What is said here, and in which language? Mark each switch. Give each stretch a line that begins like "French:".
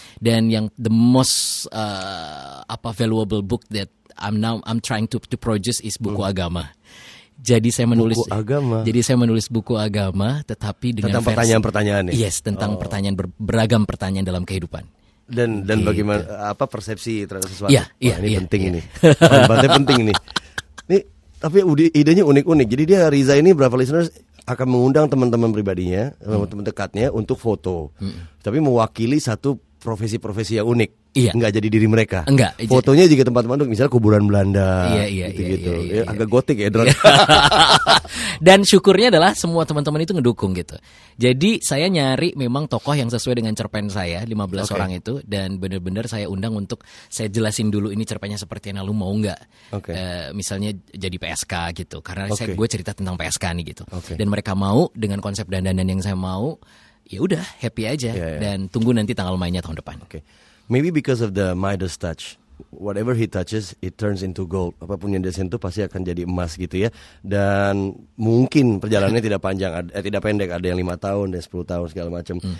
Indonesian: Dan yang
English: the most valuable book that I'm trying to produce is
Indonesian: buku agama. Jadi saya menulis buku agama. Jadi saya menulis buku agama tetapi dengan tentang pertanyaan-pertanyaan. Yes, tentang pertanyaan beragam pertanyaan dalam kehidupan. Dan okay. Bagaimana apa persepsi terhadap sesuatu? Yeah, yeah, ini, yeah, penting, yeah. Ini. Wah, penting ini. Penting ini. Nih, tapi idenya unik-unik. Jadi dia Riza ini berapa listeners akan mengundang teman-teman pribadinya, teman-teman dekatnya untuk foto. Tapi mewakili satu profesi-profesi yang unik. Iya. Enggak jadi diri mereka. Enggak. Fotonya juga tempat-tempat misalnya kuburan Belanda. Iya, gitu-gitu. Iya, iya, iya. Agak gotik ya. Iya. Dan syukurnya adalah semua teman-teman itu ngedukung gitu. Jadi saya nyari memang tokoh yang sesuai dengan cerpen saya, 15 okay. orang itu. Dan benar-benar saya undang untuk saya jelasin dulu ini cerpennya seperti yang lu mau enggak. Okay. Misalnya jadi PSK gitu. Karena okay. saya gue cerita tentang PSK nih gitu. Okay. Dan mereka mau dengan konsep dandanan yang saya mau. Ya udah, happy aja. Yeah, yeah. Dan tunggu nanti tanggal mainnya tahun depan. Okay.
English: Maybe because of the Midas touch, whatever he touches, it turns into gold.
Indonesian: Apapun yang dia sentuh pasti akan jadi emas gitu ya. Dan mungkin perjalanannya tidak panjang, tidak pendek. Ada yang 5 tahun, ada yang 10 tahun, segala macam.